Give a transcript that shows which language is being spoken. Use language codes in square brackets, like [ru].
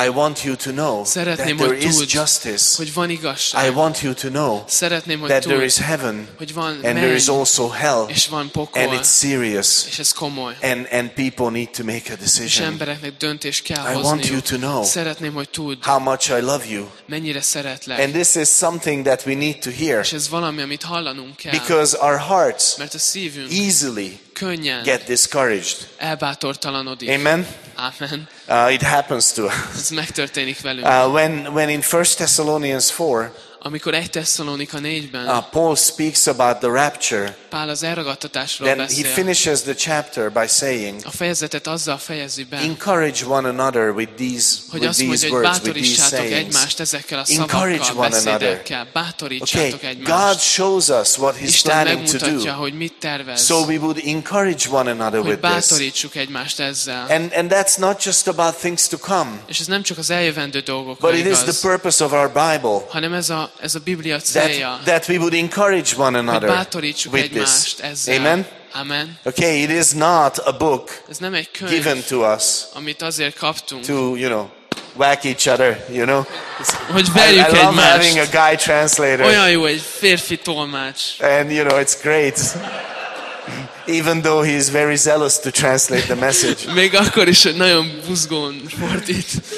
[en] I want you to know [hu] szeretném, [en] that there is justice. [hu] Hogy van igazság. [en] I want you to know [hu] szeretném, hogy [en] that [hu] tudd, [en] there is heaven [hu] hogy van [en] and there is also hell [hu] és van pokol, [en] and it's serious [hu] és ez komoly. [en] And people need to make a decision. [hu] És embereknek döntés kell [en] I want you to know [hu] szeretném, hogy tudd, [en] how much I love you. [hu] Mennyire szeretlek. [en] And this is something that we need to hear [hu] és ez valami, amit hallanunk kell, [en] because our hearts [hu] mert a szívünk [en] easily [hu] könnyen [en] get discouraged. [hu] Elbátortalanodik. Amen. Amen. [en] It happens to us. [hu] Ez megtörténik velünk. [en] When in 1 Thessalonians 4, [hu] amikor 1 Thessalonika 4-ben, [en] Paul speaks about the rapture. [hu] Pál az elragadtatásról [en] then [hu] beszél. [en] He finishes the chapter by saying, [hu] a fejezetet azzal fejezi be. [en] Encourage one another with these [hu] hogy [en] with these [hu] mondja, [en] words with these sayings. [hu] Egymást ezekkel a szavakkal, beszédekkel, bátorítsátok [en] okay. [hu] egymást. [en] God shows us what he's [hu] Isten [en] planning to do. [hu] Hogy mit tervez. [en] So we would encourage one another [hu] hogy [en] with this. [hu] Bátorítsuk egymást ezzel. [en] And that's not just about things to come. [hu] És ez nem csak az eljövendő dolgokra. [en] But it is the purpose of our Bible. [hu] Hanem ez a Biblia célja. [en] That we would encourage one another. [hu] Bátorítsuk egymást. Amen. Amen. [en] Okay, it is not a book [hu] ez nem egy könyv, [en] given to us [hu] amit azért kaptunk, [en] to, you know, whack each other, you know. [hu] Hogy verjük egymást. [en] I love [hu] egymást. [en] Having a guy translator. [hu] Olyan jó egy férfi tolmács. [en] And, you know, it's great. Even though he is very zealous to translate the message. [hu] Még akkor is nagyon buzgón fordít.